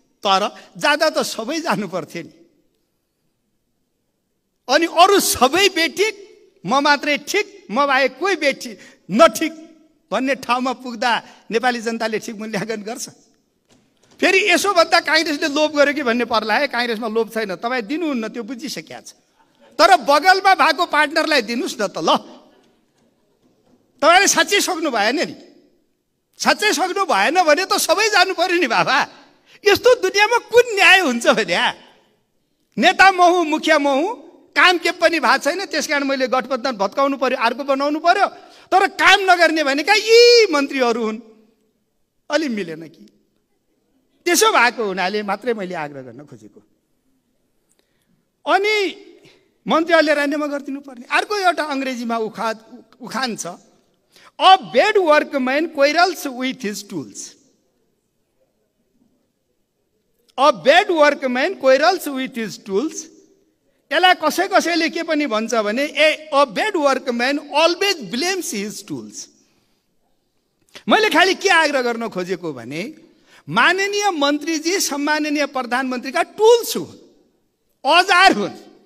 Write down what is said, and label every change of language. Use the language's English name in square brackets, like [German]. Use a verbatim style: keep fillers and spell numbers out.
[Nepali] तर जाँदा त सबै जानु पर्थ्यो नि, अनि अरू सबै बेठिक, म मात्रै ठिक, म बाहेक कोही बेठी नठिक भन्ने ठाउँमा पुग्दा नेपाली जनताले ठिक मूल्याङ्कन गर्छ? फेरि यसो भन्दा काङ्ग्रेसले लोभ गर्यो कि भन्ने पर्ला है। काङ्ग्रेसमा लोभ छैन, तपाईँ दिनुहुन्न, त्यो बुझिसकेको छ। तर बगलमा भएको पार्टनरलाई दिनुहोस् न त। ल, तपाईँले साँच्चै सक्नु भएन नि। साँच्चै सक्नु भएन भने त सबै जानु पऱ्यो नि बाबा। यस्तो दुनियाँमा कुन न्याय हुन्छ भने? नेता म हुँ, मुखिया म हुँ, काम के पनि भएको छैन, त्यस कारण मैले गठबन्धन भत्काउनु पऱ्यो, अर्को बनाउनु पऱ्यो। तर काम नगर्ने भनेका यी मन्त्रीहरू हुन्। अलि मिलेन कि? त्यसो भएको हुनाले मात्रै मैले आग्रह गर्न खोजेको। अनि मन्त्रीहरूले राजीनामा गरिदिनु पर्ने। अर्को एउटा अङ्ग्रेजीमा उखा उखान छ, [English] A bad workman quarrels with his tools. A bad workman quarrels with his tools. [Nepali] यसलाई कसै कसैले के पनि भन्छ भने [English] ए a bad workman always blames his tools. [Nepali] मैले खालि के आग्रह गर्न खोजेको भने माननीय मन्त्रीजी सम्माननीय प्रधानमन्त्रीका टुल्स हुन्, औजार हुन्।